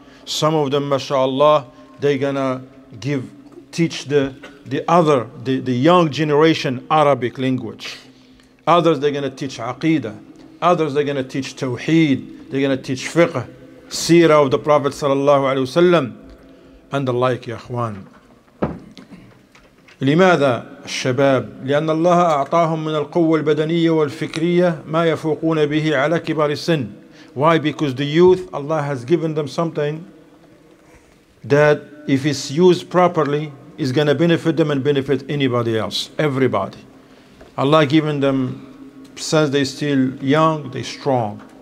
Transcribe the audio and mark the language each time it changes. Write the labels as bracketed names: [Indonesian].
[English] Some of them, mashallah, they going to give, teach the young generation Arabic language. Others, they're going to teach Aqidah. Others, they're going to teach Tawheed. They're going to teach fiqh, seerah of the Prophet sallallahu alaihi wasallam, and the like, ya akhwan. [Arabic] لماذا الشباب؟ لأن الله أعطاهم من القوة البدنية والفكرية ما يفوقون به على كبار السن. [English] Why? Because the youth, Allah has given them something that if it's used properly, is going to benefit them and benefit anybody else, everybody. Allah given them, since they're still young, they're strong.